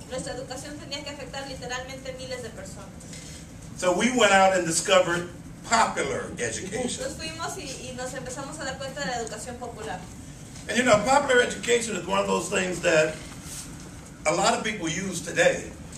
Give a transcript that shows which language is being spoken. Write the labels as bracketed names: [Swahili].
[Spanish] Nuestra educación tenía que afectar literalmente miles de personas. [English] So we went out and discovered popular education. [Spanish] Nos fuimos y nos empezamos a dar cuenta de la educación popular. [English] And you know, popular education is one of those things that a lot of people use today.